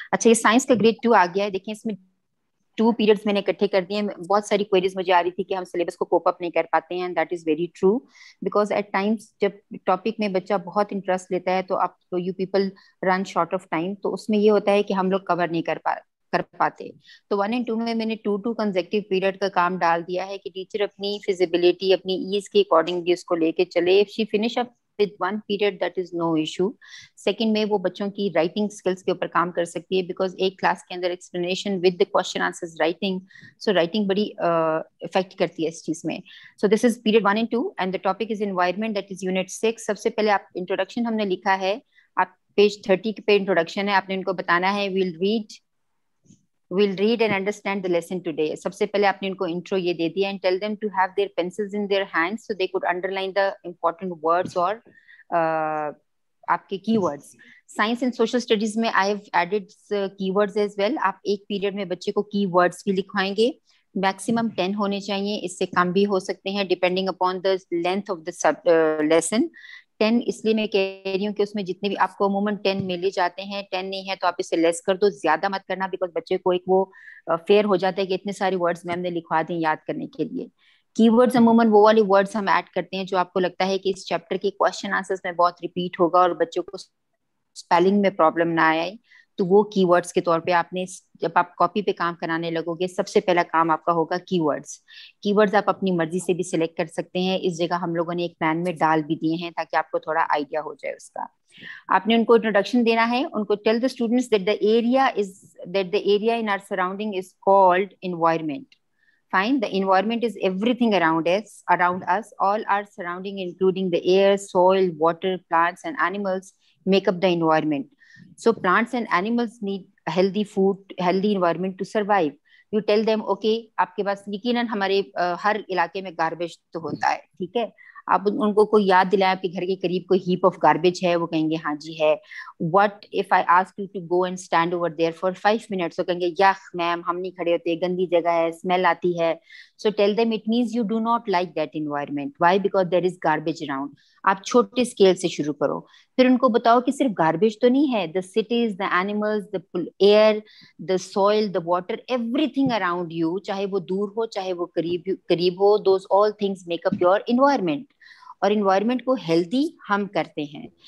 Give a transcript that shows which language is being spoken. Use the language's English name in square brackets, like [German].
[Hindi] अच्छा ये साइंस का ग्रेड टू आ गया है, देखिए इसमें टू पीरियड्स मैंने इकट्ठे कर दिए, बहुत सारी क्वेरीज मुझे आ रही थी कि हम सिलेबस को कोप अप नहीं कर पाते हैं, [English] that is very true, because at times [Hindi] जब टॉपिक में बच्चा बहुत इंटरेस्ट लेता है तो आप [English] you people run short of time, [Hindi] तो उसमें ये होता है कि हम लोग कवर नहीं कर पा कर पाते। तो 1 in 2 में मैंने 2-2 कंसेक्यूटिव पीरियड का काम डाल दिया है कि टीचर अपनी फिजिबिलिटी अपनी ईज के अकॉर्डिंग भी उसको लेके चले। [English] If she finish up with one period that is no issue. [Hindi] Second में वो बच्चों की writing skills के ऊपर काम कर सकती है because एक class के अंदर [English] explanation with the question answers writing, so writing [Hindi] बड़ी effect करती है इस चीज में। [English] So this is period 1 and 2 and the topic is environment, that is unit 6. [Hindi] सबसे पहले आप introduction हमने लिखा है, आप page 30 के पे introduction है, आपने उनको बताना है [English] we'll read and understand the lesson today. [Hindi] सबसे पहले आपने उनको intro ये दे दिया [English] and tell them to have their pencils in their hands so they could underline the important words or आपके keywords. Science and social studies में I have added keywords as well. [Hindi] आप एक period में बच्चे को keywords भी लिखवाएंगे, maximum 10 होने चाहिए, इससे कम भी हो सकते हैं [English] depending upon the length of the lesson. [Hindi] 10 इसलिए मैं कह रही हूँ कि उसमें जितने भी आपको अमूमन 10 मिले जाते हैं, 10 नहीं है तो आप इसे लेस कर दो, ज्यादा मत करना बिकॉज बच्चे को एक वो फेयर हो जाता है कि इतने सारे वर्ड्स मैम ने लिखवा दें याद करने के लिए। कीवर्ड्स अमूमन वो वाले वर्ड्स हम ऐड करते हैं जो आपको लगता है कि इस चैप्टर के क्वेश्चन आंसर्स में बहुत रिपीट होगा और बच्चों को स्पेलिंग में प्रॉब्लम ना आए, तो वो कीवर्ड्स के तौर पे आपने जब आप कॉपी पे काम कराने लगोगे सबसे पहला काम आपका होगा कीवर्ड्स। कीवर्ड्स आप अपनी मर्जी से भी सिलेक्ट कर सकते हैं, इस जगह हम लोगों ने एक प्लान में डाल भी दिए हैं ताकि आपको थोड़ा आइडिया हो जाए उसका। आपने उनको इंट्रोडक्शन देना है, उनको [English] Tell the students that the area in our surrounding is called environment. Fine, the environment is everything around us, all our surrounding including the air, soil, water, plants and animals make up the environment. So plants and animals need healthy food, healthy environment to survive. You tell them, okay, [Hindi] आपके पास यकीनन हमारे हर इलाके में garbage तो होता है, ठीक है? आप उनको कोई याद दिलाएं आपके घर के करीब कोई हीप ऑफ गार्बेज है, वो कहेंगे हाँ जी है। [English] What if I ask you to go and stand over there for 5 minutes? [Hindi] वो कहेंगे यख मैम हम नहीं खड़े होते, गंदी जगह है, स्मेल आती है। [English] So tell them it means you do not like that environment. Why? Because there is garbage around. [Hindi] आप छोटे स्केल से शुरू करो, फिर उनको बताओ कि सिर्फ गार्बेज तो नहीं है, [English] the cities, the animals, the air, the soil, the water, everything around you, [Hindi] चाहे वो दूर हो चाहे वो करीब हो, [English] those all things make up your environment, [Hindi] और एनवायरमेंट को हेल्दी हम करते हैं।